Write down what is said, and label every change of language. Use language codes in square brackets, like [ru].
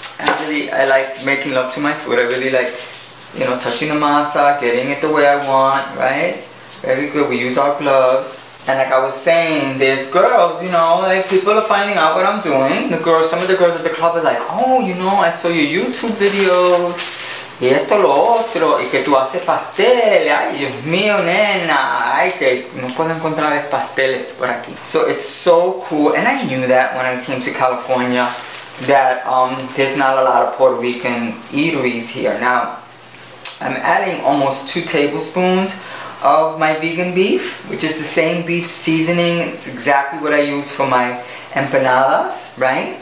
[en] I like making love to my food. I really like, you know, touching the masa, getting it the way I want, right? Very good, we use our gloves. And like I was saying, there's girls, you know, like people are finding out what I'm doing. The girls, some of the girls at the club are like, oh, you know, I saw your YouTube videos. [es] Y esto lo otro, y que tú haces pasteles. Ay, Dios mío, nena. Ay, que no puedo encontrar pasteles por aquí. [en] So it's so cool. And I knew that when I came to California, that there's not a lot of Puerto Rican eateries here. Now, I'm adding almost 2 tablespoons. Of my vegan beef, which is the same beef seasoning. It's exactly what I use for my empanadas, right?